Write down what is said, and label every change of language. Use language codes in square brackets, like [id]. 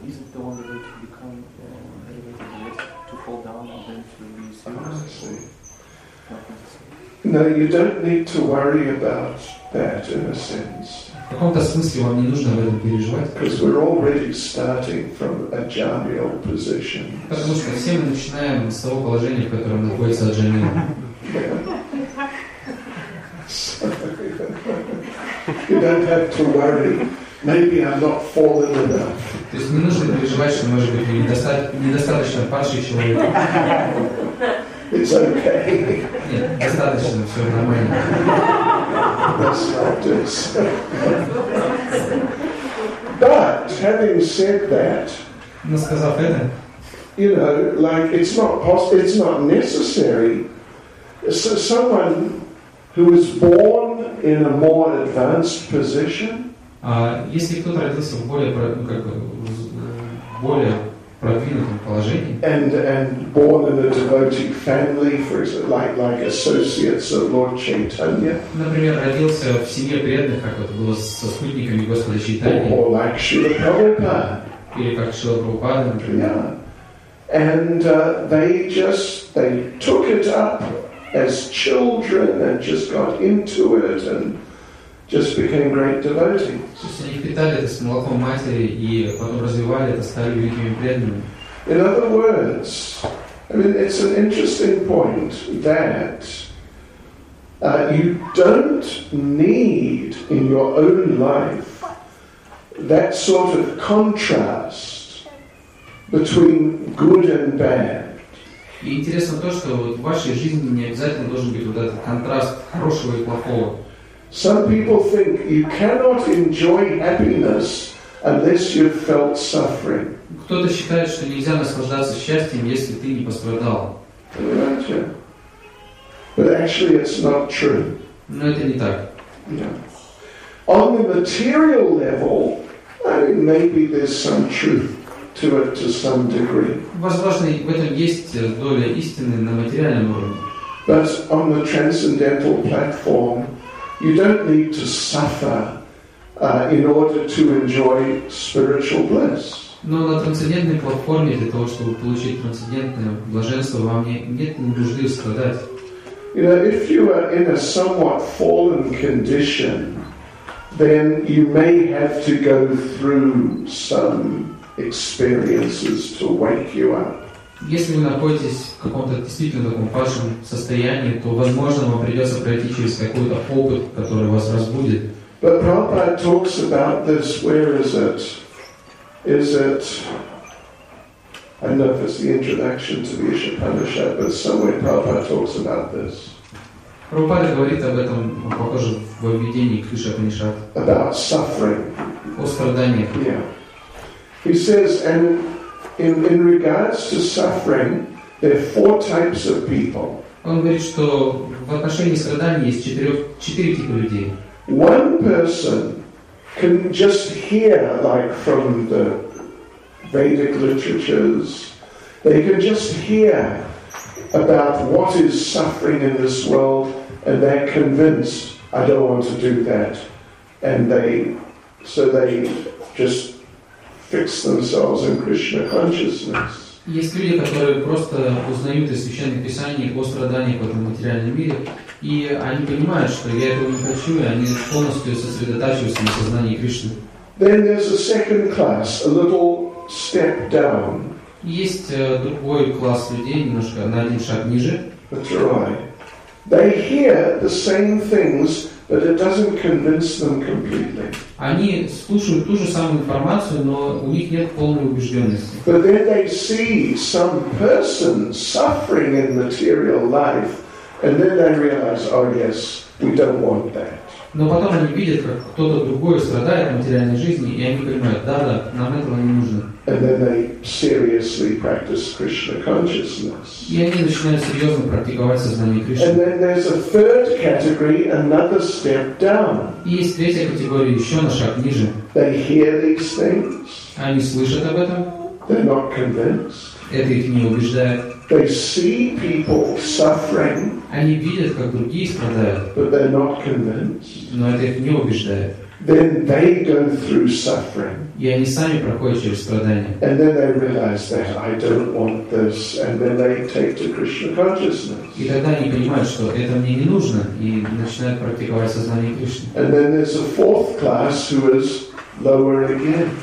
[en] Isn't the only way to become elevated to fall down and then to be serious? No, you don't need to worry about that in a sense. [ru] В каком-то смысле вам не нужно об этом переживать. [en] Because we're already starting from a jhanial position. [ru] Потому что все мы начинаем с того положения, в котором находится аджанил. [en] You don't have to worry. Maybe I'm not falling enough. [ru] То есть не нужно переживать, что может быть недостаточно падший человек. [en] It's okay. [ru] Нет, достаточно, все нормально. [en] That's not this. But having said that, [ru] но сказав это, [en] you know, like it's not possible, it's not necessary. So someone who is born in a more advanced position, [ru] если кто-то родился в более продвинутом положении. [en] And born in a devoted family, for example, like associates of Lord Chaitanya. [ru] Например, родился в семье преданных, как вот было со спутниками Господа Чайтаньи. [en] Or like Шрила Прабхупада. [ru] Или как Шрила Прабхупада, например. [en] Yeah. And they took it up as children and just got into it and just became great devotees. [ru] Они питали это с молоком матери и потом развивали это, стали великими преданными. [en] In other words, I mean, it's an interesting point that you don't need in your own life that sort of contrast between good and bad. [ru] И интересно то, что вот в вашей жизни не обязательно должен быть вот этот контраст хорошего и плохого. [en] Some people think you cannot enjoy happiness unless you've felt suffering. [ru] Кто-то считает, что нельзя наслаждаться счастьем, если ты не пострадал. [en] But actually it's not true. [ru] Но это не так. [en] Yeah. On the material level, I mean, maybe there's some truth to it to some degree. [ru] Возможно, в этом есть доля истины на материальном уровне. [en] But on the transcendental platform, you don't need to suffer in order to enjoy spiritual bliss. [ru] Но на трансцендентной платформе для того, чтобы получить трансцендентное блаженство, вам нет нужды страдать. [en] You know, if you are in a somewhat fallen condition, then you may have to go through some experiences to wake you up. [ru] Если вы находитесь в каком-то действительно таком падшем состоянии, то, возможно, вам придется пройти через какой-то опыт, который вас разбудит. [en] But Prabhupada talks about this. Where is it? Is it? I don't know if it's the introduction to the Ishapanishad, but somewhere Prabhupada talks about this. [ru] Prabhupada говорит об этом, похоже, в введении к Ишапанишад. [en] About suffering. [ru] О страданиях. [en] Yeah. He says, and in regards to suffering, there are four types of people. [ru] Он говорит, что в отношении страданий есть четыре типа людей. [en] One person can just hear, like from the Vedic literatures, they can just hear about what is suffering in this world, and they're convinced, I don't want to do that, and they just fix themselves in Krishna consciousness. [ru] Есть люди, которые просто узнают из священных писаний о страданиях в этом материальном мире, и они понимают, что я этого не хочу, и они полностью сосредотачиваются на сознании Кришны. [en] Then there's a second class, a little step down. [ru] Есть другой класс людей, немножко на один шаг ниже. [en] That's right. They hear the same things, but it doesn't convince them completely. [ru] Они слушают ту же самую информацию, но у них нет полной убежденности. [en] But then they see some person suffering in material life, and then they realize, oh yes, we don't want that. [ru] Но потом они видят, как кто-то другой страдает в материальной жизни, и они понимают, да, нам этого не нужно. [en] And then they seriously practice Krishna consciousness. [ru] И они начинают серьезно практиковать сознание Кришны. [en] And then there's a third category, another step down. [ru] И есть третья категория, еще на шаг ниже. [en] They hear these things. [ru] Они слышат об этом. [en] They're not convinced. [ru] Это их не убеждает. [en] They see people suffering. [ru] Они видят, как другие страдают. [en] But they're not convinced. [ru] Но это их не убеждает. [en] Then they go through suffering. [ru] И они сами проходят через страдания. [en] And then they realize that I don't want this, and then they take to Krishna consciousness. [ru] И тогда они понимают, что это мне не нужно, и начинают практиковать сознание Кришны. [en] And then there's a fourth class who is lower again.